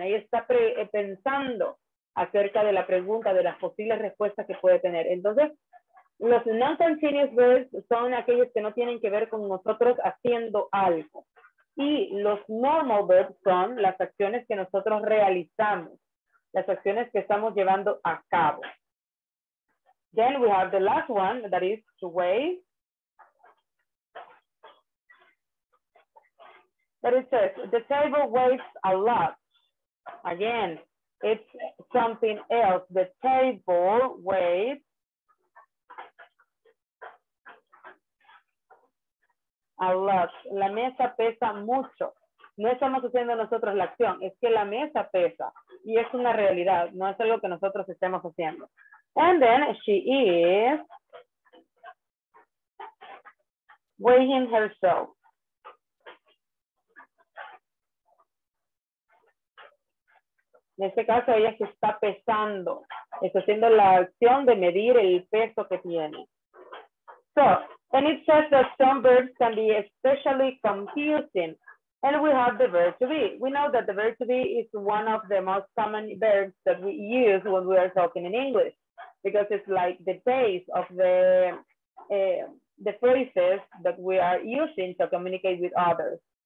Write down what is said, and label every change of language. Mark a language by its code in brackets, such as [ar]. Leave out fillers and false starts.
[es] Ella está pensando acerca de la pregunta, de las posibles respuestas que puede tener. Entonces, los non-continuous verbs son aquellos que no tienen que ver con nosotros haciendo algo. Y los normal verbs son las acciones que nosotros realizamos, las acciones que estamos llevando a cabo. [en] Then we have the last one, that is to wait. But it says, the table waits a lot. Again, it's something else. The table waits a lot. [es] La mesa pesa mucho. No estamos haciendo nosotros la acción, es que la mesa pesa. Y es una realidad, no es algo que nosotros estemos haciendo. [en] And then she is weighing herself. [es] En este caso, ella se está pesando. Está haciendo la acción de medir el peso que tiene. [en] So, and it says that some verbs can be especially confusing. And we have the verb to be. We know that the verb to be is one of the most common verbs that we use when we are talking in English. Because it's like the base of the phrases that we are using to communicate with others.